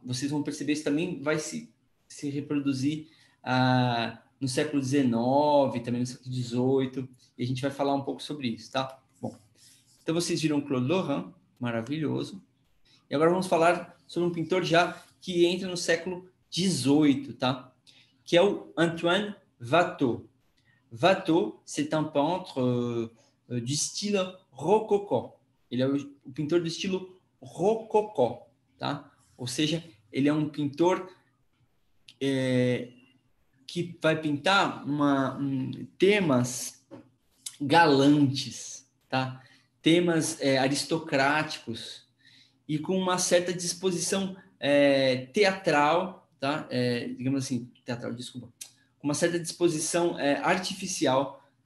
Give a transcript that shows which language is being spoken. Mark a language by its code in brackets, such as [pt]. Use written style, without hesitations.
[pt] Vocês vão perceber, isso também vai se reproduzir no século XIX, também no século XVIII, e a gente vai falar um pouco sobre isso, tá? Então vocês viram Claude Lorrain, maravilhoso. E agora vamos falar sobre um pintor já que entra no século XVIII, tá? Que é o Antoine Watteau. [fr] Watteau, c'est un peintre du style rococó. [pt] Ele é o pintor do estilo rococó, tá? Ou seja, ele é um pintor que vai pintar temas galantes, tá? Temas aristocráticos e com uma certa disposição teatral, tá? Digamos assim, teatral, desculpa. Uma certa disposição artificial